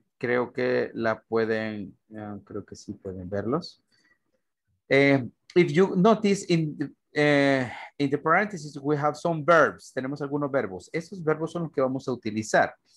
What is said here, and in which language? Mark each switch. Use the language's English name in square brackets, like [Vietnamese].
[Spanish] creo que la pueden, creo que sí pueden verlos. [English] If you notice in the parentheses, we have some verbs. [Spanish] Tenemos algunos verbos. Esos verbos son los que vamos a utilizar.